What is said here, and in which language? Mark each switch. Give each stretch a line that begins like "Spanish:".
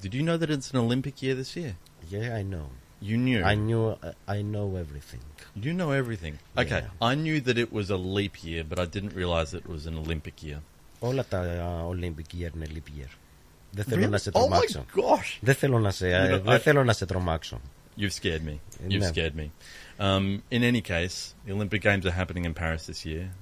English: Did you know that it's an Olympic year this year? Yeah, I know. You knew? I knew. I know everything. You know everything. Okay, yeah. I knew that it was a leap year, but I didn't realize it was an Olympic year.
Greek: Όλα τα Olympic year είναι leap year. Δεν θέλω
English: really?
Greek: Να σε τρομάξω.
English: Oh my gosh!
Greek: Δεν θέλω να σε, δεν θέλω να σε τρομάξω.
English: You've scared me. You've scared me. In any case, the Olympic Games are happening in Paris this year.